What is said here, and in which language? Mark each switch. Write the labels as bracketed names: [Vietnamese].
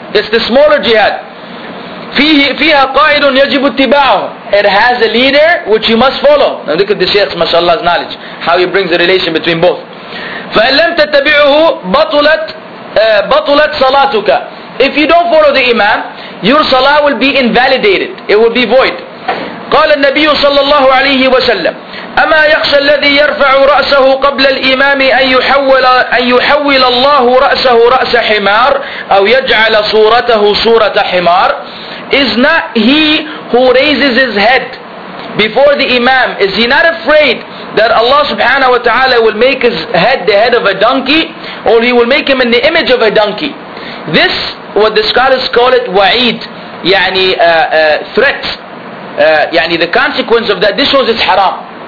[English] It's the smaller jihad. [Arabic] فيها قائد يجب اتباعه. [English] It has a leader which you must follow. Now look at the Shaykh's mashallah's knowledge, how he brings the relation between both. [Arabic] فإن لم تتبعه بطلت صلاتك. [English] If you don't follow the imam, your salah will be invalidated. It will be void. [Arabic] قال النبي صلى الله عليه وسلم أما يخشى الذي يرفع رأسه قبل الإمام أن يحول الله رأسه رأس حمار أو يجعل صورته صورة حمار. [English] Is not he who raises his head before the imam, is he not afraid that Allah subhanahu wa ta'ala will make his head the head of a donkey, or he will make him in the image of a donkey? This, what the scholars call it, wa'id, yani threat, yani the consequence of that, this shows it's haram.